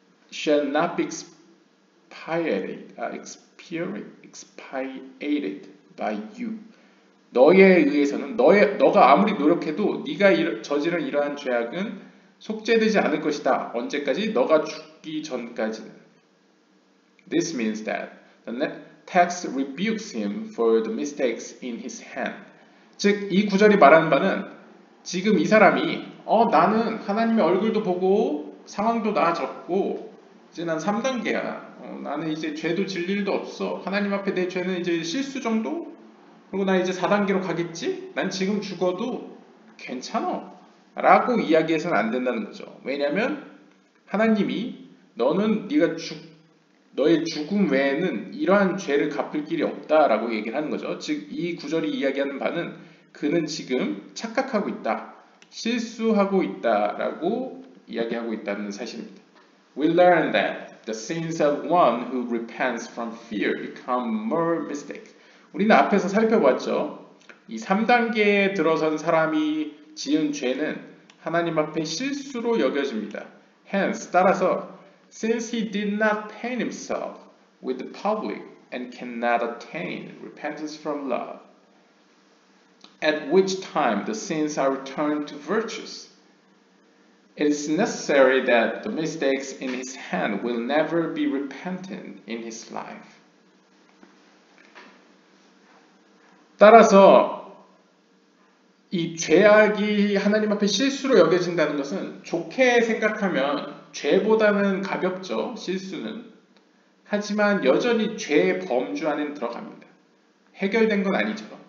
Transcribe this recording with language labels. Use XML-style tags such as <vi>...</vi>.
<en>Shall not be expiated by you.</en> <ko>너에 의해서는 너가 아무리 노력해도 네가 저지른 이러한 죄악은 속죄되지 않을 것이다. 언제까지? 너가 죽기 전까지는.</ko> <en>This means that the text rebukes him for the mistakes in his hand.</en> <ko>즉, 이 구절이 말하는 바는 지금 이 사람이 나는 하나님의 얼굴도 보고 상황도 나아졌고 이제 난 3단계야. 나는 이제 죄도 질 일도 없어. 하나님 앞에 내 죄는 이제 실수 정도? 그리고 난 이제 4단계로 가겠지? 난 지금 죽어도 괜찮아. 라고 이야기해서는 안 된다는 거죠. 왜냐면 하나님이 너는 네가 너의 죽음 외에는 이러한 죄를 갚을 길이 없다라고 얘기를 하는 거죠. 즉, 이 구절이 이야기하는 바는 그는 지금 착각하고 있다, 실수하고 있다라고 이야기하고 있다는 사실입니다.</ko> <en>We learn that the sins of one who repents from fear become more mistakes.</en> <ko>우리는 앞에서 살펴봤죠. 이 3단계에 들어선 사람이 지은 죄는 하나님 앞에 실수로 여겨집니다.</ko> <en>Hence,</en> <ko>따라서</ko> <en>Since he did not pain himself with the public and cannot attain repentance from love, at which time the sins are returned to virtues, It's necessary that the mistakes in his hand will never be repented in his life.</en> <ko>따라서 이 죄악이 하나님 앞에 실수로 여겨진다는 것은 좋게 생각하면 죄보다는 가볍죠, 실수는. 하지만 여전히 죄의 범주 안에 들어갑니다. 해결된 건 아니죠.</ko>